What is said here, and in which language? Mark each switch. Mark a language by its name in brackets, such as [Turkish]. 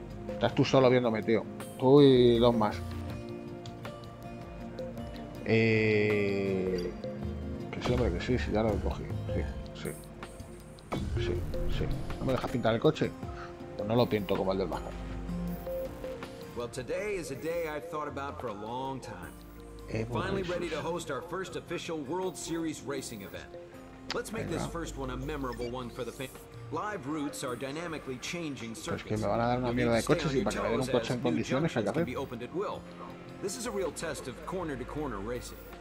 [Spanish] Estás tú solo viéndome, tío. Tú y dos más. Que sí, hombre, que sí, sí, ya lo cogí. Sí, sí. Sí, sí. ¿No me dejas pintar el coche? Pues no lo pinto como el del bajar. [English] Well, today is a day I've thought about for a long time. We're finally ready to host our first official World Series racing event. Let's make this first one a memorable one for the fans. Live routes are dynamically changing circuits. [Spanish] Pues que me van a dar una mierda de coches y para que vaya un coche en condiciones hay que hacer. [English] This is a real test of corner-to-corner racing.